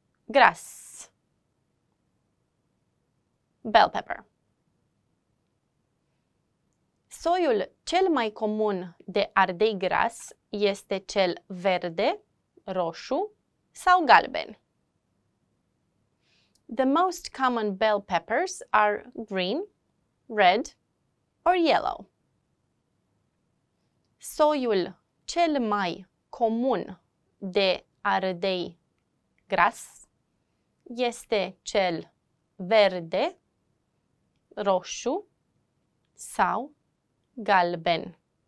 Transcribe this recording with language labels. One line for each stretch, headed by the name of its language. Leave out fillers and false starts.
Romanian: gras.
English: Bell pepper.
Romanian: Soiul cel mai comun de ardei gras este cel verde, roșu sau galben.
English: The most common bell peppers are green, red, or yellow.
Romanian: Soiul cel mai comun de ardei gras este cel verde, roșu sau galben.